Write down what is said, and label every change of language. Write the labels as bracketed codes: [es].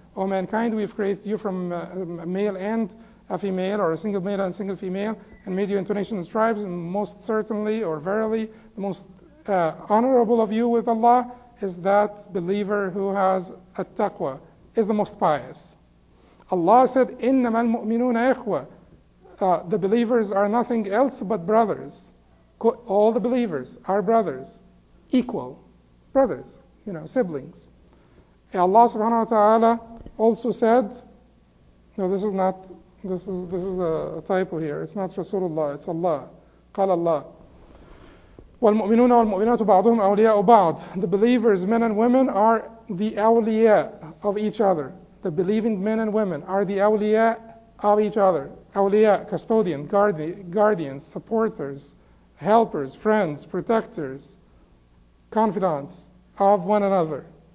[en] O mankind, we've created you from a male and a female, or a single male and a single female, and made you into nations and tribes, and most certainly, or verily, the most honorable of you with Allah is that believer who has a taqwa, is the most pious. Allah said, [ar] إِنَّمَا الْمُؤْمِنُونَ إِخْوَةً. [en] The believers are nothing else but brothers. All the believers are brothers, equal brothers, you know, siblings. Allah subhanahu wa ta'ala also said, no, this is not, this is a typo here. It's not Rasulullah, it's Allah. [ar] قال الله. والمؤمنون والمؤمنات بعضهم أولياء بعض. [en] The believers, men and women, are the awliya of each other. The believing men and women are the awliya of each other. Awliya, custodian, guardians, supporters, helpers, friends, protectors, confidants of one another.